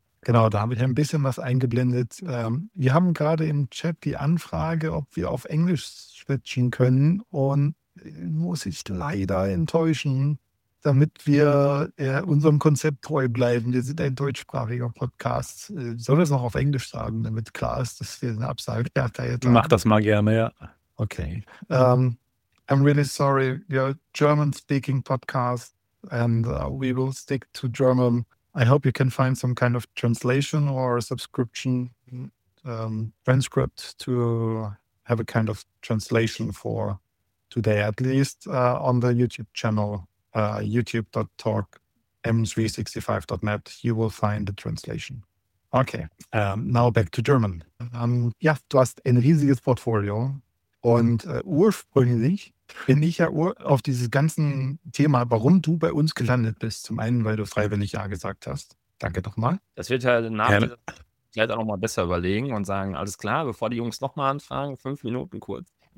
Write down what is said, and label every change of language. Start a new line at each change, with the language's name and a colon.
German: Genau, da habe ich ein bisschen was eingeblendet. Wir haben gerade im Chat die Anfrage, ob wir auf Englisch switchen können. Und muss ich leider enttäuschen, damit wir unserem Konzept treu bleiben. Wir sind ein deutschsprachiger Podcast. Soll das noch auf Englisch sagen, damit klar ist, dass wir eine Absage erteilt haben? Mach das mal gerne, ja.
English: Okay. I'm really sorry. We are a German-speaking podcast and we will stick to German. I hope you can find some kind of translation or subscription transcript to have a kind of translation for today, at least on the YouTube channel, youtube.talk m365.net, you will find the translation. Okay, now back to German.
German: Ja, du hast ein riesiges Portfolio und ursprünglich bin ich ja auf dieses ganze Thema, warum du bei uns gelandet bist. Zum einen, weil du freiwillig Ja gesagt hast. Danke nochmal. Das wird halt nach dieser Zeit auch nochmal besser überlegen und sagen, alles klar, bevor die Jungs nochmal anfragen, 5 Minuten kurz.